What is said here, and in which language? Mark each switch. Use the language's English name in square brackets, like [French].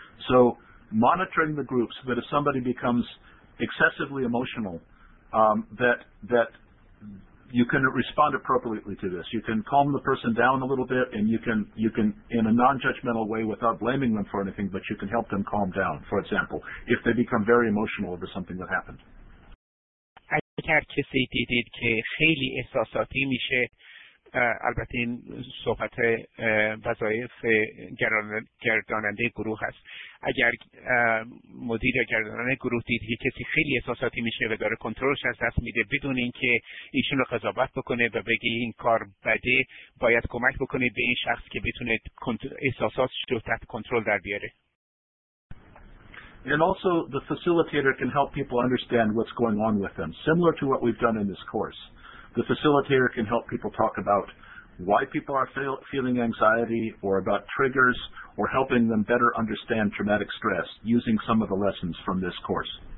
[English] So monitoring the group so that if somebody becomes excessively emotional, that you can respond appropriately to this. You can calm the person down a little bit, and you can in a non-judgmental way without blaming them for anything, but you can help them calm down, for example, if they become very emotional over something that happened. [Persian] اگر کسی دیدید که خیلی احساساتی میشه، البته این صحبت وظایف گرداننده گروه هست، اگر مدیر یا گرداننده گروه دیدید که کسی خیلی احساساتی میشه و داره کنترلش از دست میده، بدون اینکه ایشون رو قضاوت بکنه و بگی این کار بده، باید کمک بکنه به این شخص که بتونه احساساتش رو تحت کنترل در بیاره. [English] And also the facilitator can help people understand what's going on with them, similar to what we've done in this course. The facilitator can help people talk about why people are feeling anxiety or about triggers or helping them better understand traumatic stress using some of the lessons from this course.